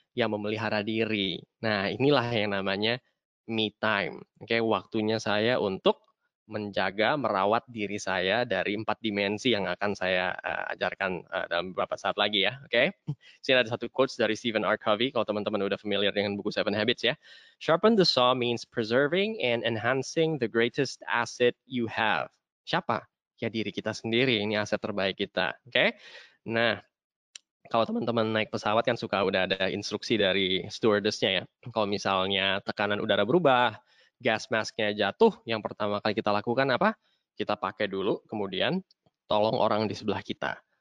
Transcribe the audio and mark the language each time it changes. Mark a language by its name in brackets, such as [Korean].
[Indonesian] Ya memelihara diri. Nah, inilah yang namanya me time. Oke, waktunya saya untuk menjaga, merawat diri saya dari 4 dimensi yang akan saya ajarkan dalam beberapa saat lagi ya. Oke, sini ada satu quotes dari Stephen R. Covey, kalau teman-teman udah familiar dengan buku 7 Habits ya. [English] Sharpen the saw means preserving and enhancing the greatest asset you have. [Indonesian] Siapa? Ya diri kita sendiri, ini aset terbaik kita. Oke, nah kalau teman-teman naik pesawat kan suka udah ada instruksi dari stewardess-nya ya. Kalau misalnya tekanan udara berubah, gas masknya jatuh, yang pertama kali kita lakukan apa? Kita pakai dulu, kemudian tolong orang di sebelah kita.